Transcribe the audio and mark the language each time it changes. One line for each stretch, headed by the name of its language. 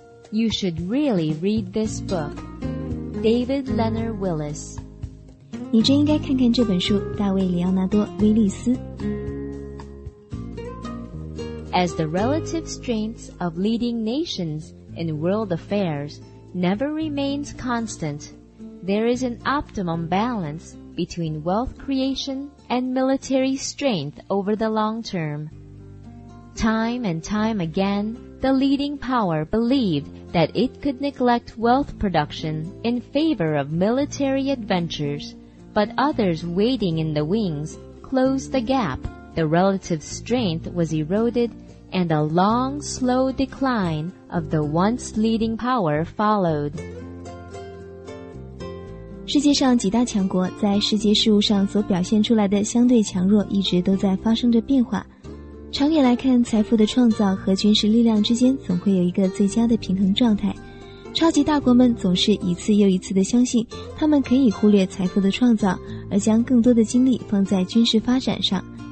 English: You should really read this book, David Leonard Willis.
Chinese: 你真应该看看这本书，大卫·里奥纳多·威利斯。
English: As the relative strengths of leading nations in world affairs never remains constant. There is an optimum balance between wealth creation and military strength over the long term. Time and time again, the leading power believed that it could neglect wealth production in favor of military adventures, but others waiting in the wings closed the gap. The relative strength was eroded, and a long, slow decline of the once leading power followed.
Chinese: 世界上几大强国在世界事务上所表现出来的相对强弱一直都在发生着变化。长远来看，财富的创造和军事力量之间总会有一个最佳的平衡状态。超级大国们总是一次又一次地相信他们可以忽略财富的创造，而将更多的精力放在军事发展上。